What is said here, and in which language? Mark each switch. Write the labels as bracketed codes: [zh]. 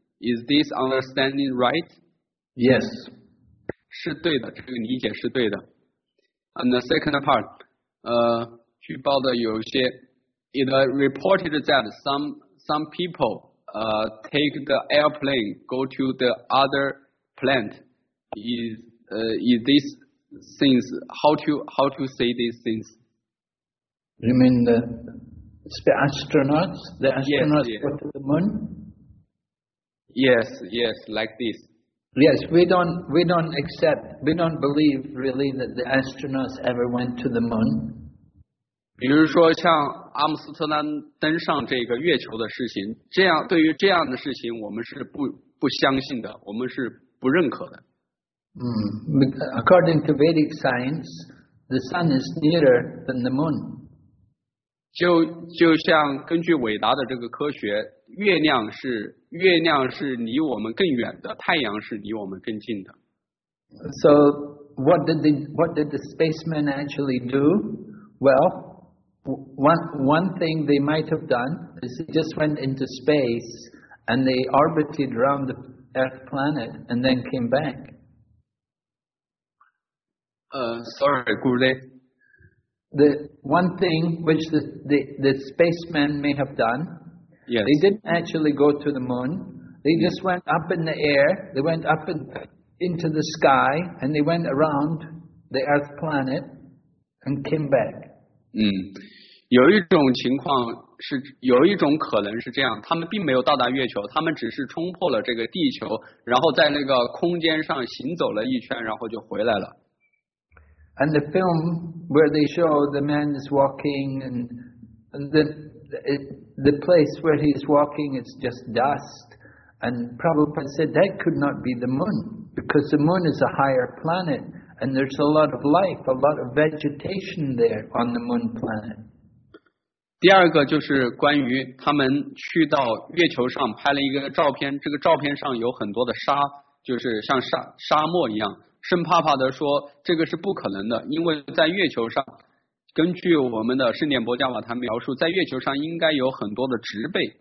[en] Is this understanding right? Yes. [zh] 是对的，这个理解是对的。 [en] And the second part, [zh] 据报的有些 [en] it reported that some people take the airplane, go to the other plant. Is these things, how to say these things? You mean the... astronauts, the astronauts yes, yes. go to the moon? Yes, yes, like this. Yes, we don't accept, we don't believe really that the astronauts ever went to the moon. [zh] 比如说像阿姆斯特丹登上这个月球的事情，这样对于这样的事情我们是不相信的，我们是不认可的。 [en] According to Vedic science, the sun is nearer than the moon. [zh] 就像根据伟达的这个科学，月亮是离我们更远的，太阳是离我们更近的。 [en] So what did the spacemen actually do? Well, one thing they might have done is they just went into space and they orbited around the Earth planet and then came back. Sorry, Gurudev. The one thing which the spacemen may have done, yes. they didn't actually go to the moon. They just went up in the air, they went up into the sky, and they went around the Earth planet and came back. [zh] 有一种情况是，有一种可能是这样，他们并没有到达月球，他们只是冲破了这个地球，然后在那个空间上行走了一圈，然后就回来了。 [en] And the film where they show the man is walking and the place where he's walking is just dust. And Prabhupada said that could not be the moon because the moon is a higher planet and there's a lot of life, a lot of vegetation there on the moon planet. [zh] 第二个就是关于他们去到月球上拍了一个照片，这个照片上有很多的沙，就是像沙漠一样。圣帕帕德说这个是不可能的，因为在月球上，根据我们的圣典伯加瓦坛描述，在月球上应该有很多的植被。